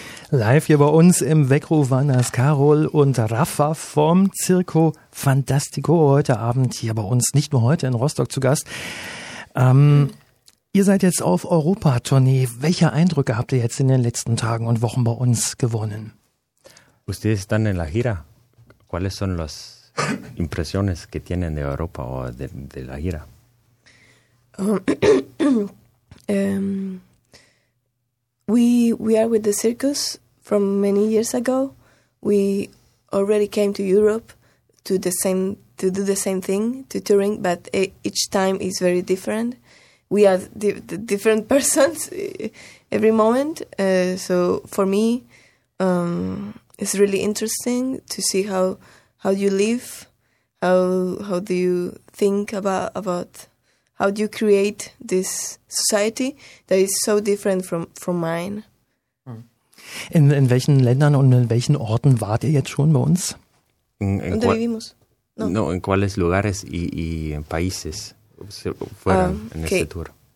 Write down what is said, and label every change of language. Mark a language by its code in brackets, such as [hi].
[de] Live hier bei uns im Weckruf waren das Carol und Rafa vom Circo Fantastico heute Abend hier bei uns, nicht nur heute in Rostock zu Gast. Ihr seid jetzt auf Europa-Tournee. Welche Eindrücke habt ihr jetzt in den letzten Tagen und Wochen bei uns gewonnen? [es] Ustedes están en la gira. ¿Cuáles son las impresiones que tienen de Europa o de la gira? [en] We are with the circus from many years ago. We already came to Europe to do the same thing, to touring, but each time is very different. We are the different persons every moment. So for me, it's really interesting to see how you live, how do you think about how do you create this society that is so different from mine. [de] In welchen Ländern und in welchen Orten wart ihr jetzt schon bei uns? [es] ¿Dónde vivimos? No, en cuáles lugares y países fueron en este tour.